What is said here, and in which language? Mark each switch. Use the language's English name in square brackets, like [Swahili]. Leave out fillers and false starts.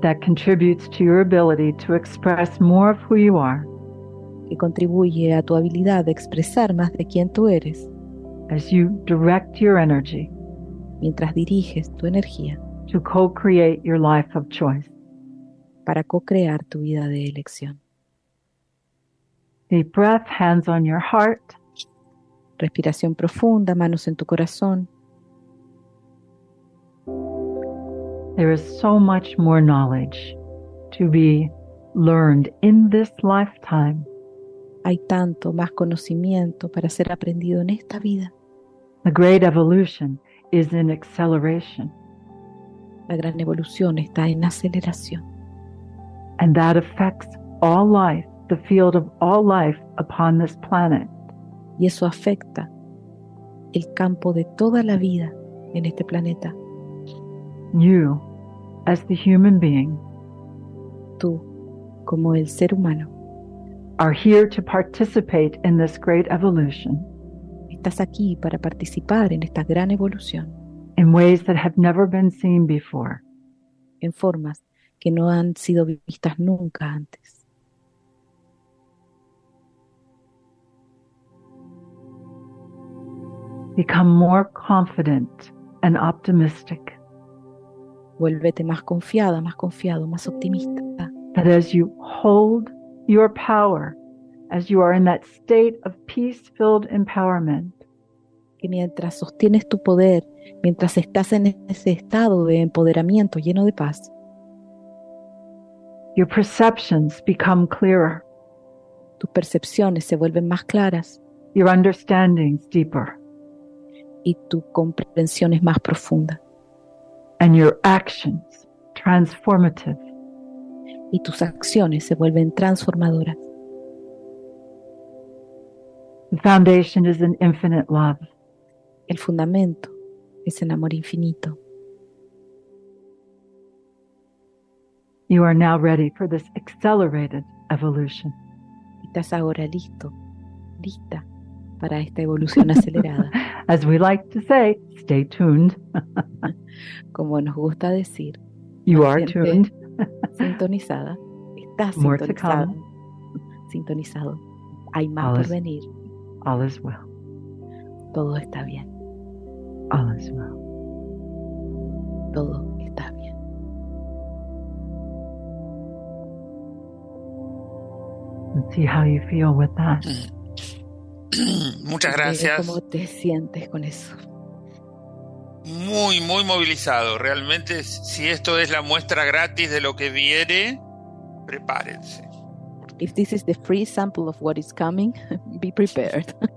[English] That contributes to your ability to express more of who you are. [Spanish] Que contribuye a tu habilidad de expresar más de quién tú eres. [English] As you direct your energy. [Spanish] Mientras diriges tu energía. [English] To co-create your life of choice. [Spanish] Para co-crear tu vida de elección. [English] Deep breath, hands on your heart. [Spanish] Respiración profunda, manos en tu corazón. [English] There is so much more knowledge to be learned in this lifetime. [Spanish] Hay tanto más conocimiento para ser aprendido en esta vida. [English] The great evolution is in acceleration. [Spanish] La gran evolución está en aceleración. [English] And that affects all life. The field of all life upon this planet. [Spanish] Y eso afecta el campo de toda la vida en este planeta. [English] You, as the human being, [Spanish] tú, como el ser humano, [English] are here to participate in this great evolution. [Spanish] Estás aquí para participar en esta gran evolución. [English] In ways that have never been seen before. [Spanish] En formas que no han sido vistas nunca antes. [English] Become more confident and optimistic. [Spanish] Vuélvete más confiada, más confiado, más optimista. [English] That as you hold your power, as you are in that state of peace-filled empowerment. [Spanish] Que mientras sostienes tu poder, mientras estás en ese estado de empoderamiento lleno de paz. [English] Your perceptions become clearer. [Spanish] Tus percepciones se vuelven más claras. [English] Your understandings deeper. [Spanish] Y tu comprensión es más profunda. [English] And your actions transformative. [Spanish] Y tus acciones se vuelven transformadoras. [English] The foundation is an infinite love. [Spanish] El fundamento es el amor infinito. [English] You are now ready for this accelerated evolution. [Spanish] Estás ahora listo, lista para esta evolución acelerada. [English] As we like to say, stay tuned. [Spanish] Como nos gusta decir, [English] you are tuned. [Spanish] Sintonizada. Estás sintonizada. Sintonizado. Hay más por venir. [English] All is well. [Spanish] Todo está bien. [English] All is well. [Spanish] Todo está bien. [English] Let's see how you feel with that. [Spanish] Muchas gracias. ¿Cómo te sientes con eso? Muy, muy movilizado. Realmente, si esto es la muestra gratis de lo que viene, prepárense. [English] If this is the free sample of what is coming, be prepared.